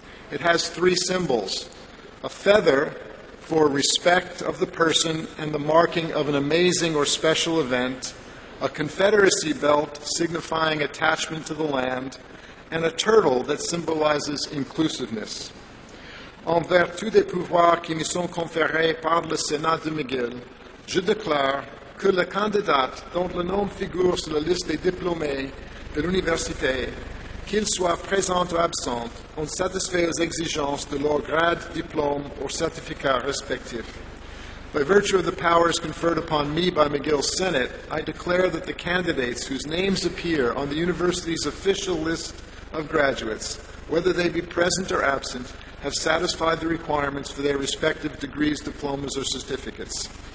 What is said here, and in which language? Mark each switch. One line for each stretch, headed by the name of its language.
English: It has three symbols: a feather for respect of the person and the marking of an amazing or special event, a Confederacy belt signifying attachment to the land, and a turtle that symbolizes inclusiveness.
French: En vertu des pouvoirs qui me sont conférés par le Sénat de McGill, je déclare que le candidat dont le nom figure sur la liste des diplômés de l'université, qu'il soit présent ou absent, ont satisfait aux exigences de leur grade, diplôme ou certificat respectif.
English: By virtue of the powers conferred upon me by McGill Senate, I declare that the candidates whose names appear on the university's official list of graduates, whether they be present or absent, have satisfied the requirements for their respective degrees, diplomas, or certificates.